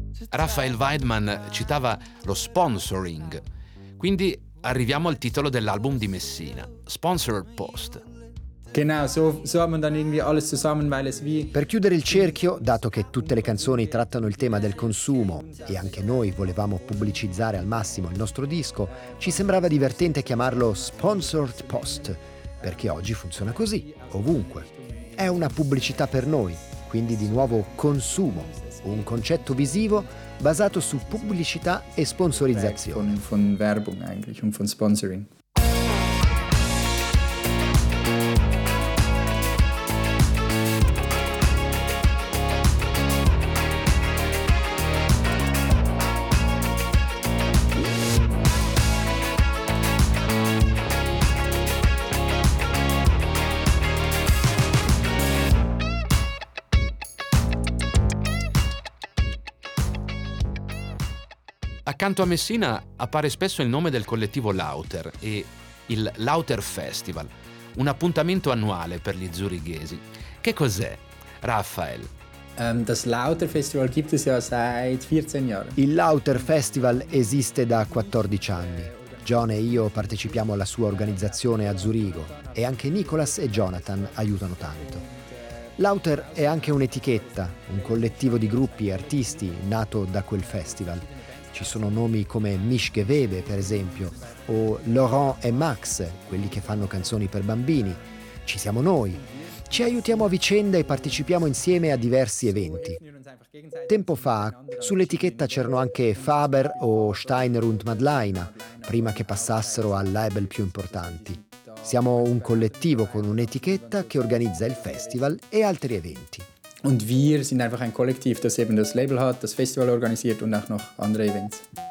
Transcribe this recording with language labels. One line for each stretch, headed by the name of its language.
Italian: Raphael Weidman citava lo sponsoring, quindi arriviamo al titolo dell'album di Messina, Sponsored Post.
German: Genau, so hat man dann irgendwie alles zusammen, weil es wie...
Italian: Per chiudere il cerchio, dato che tutte le canzoni trattano il tema del consumo e anche noi volevamo pubblicizzare al massimo il nostro disco, ci sembrava divertente chiamarlo Sponsored Post, perché oggi funziona così, ovunque. È una pubblicità per noi, quindi di nuovo consumo, un concetto visivo basato su pubblicità e sponsorizzazione.
German: Von Werbung eigentlich und von Sponsoring.
Italian: Accanto a Messina appare spesso il nome del collettivo Lauter e il Lauter Festival, un appuntamento annuale per gli zurighesi. Che cos'è, Raphael?
German: Das Lauter Festival gibt es ja seit 14 Jahren.
Italian: Il Lauter Festival esiste da 14 anni. John e io partecipiamo alla sua organizzazione a Zurigo e anche Nicolas e Jonathan aiutano tanto. Lauter è anche un'etichetta, un collettivo di gruppi e artisti nato da quel festival. Ci sono nomi come Mischke Webe, per esempio, o Laurent e Max, quelli che fanno canzoni per bambini. Ci siamo noi. Ci aiutiamo a vicenda e partecipiamo insieme a diversi eventi. Tempo fa, sull'etichetta c'erano anche Faber o Steiner und Madlina, prima che passassero al label più importanti. Siamo un collettivo con un'etichetta che organizza il festival e altri eventi.
German: Und wir sind einfach ein Kollektiv, das eben das Label hat, das Festival organisiert und auch noch andere Events.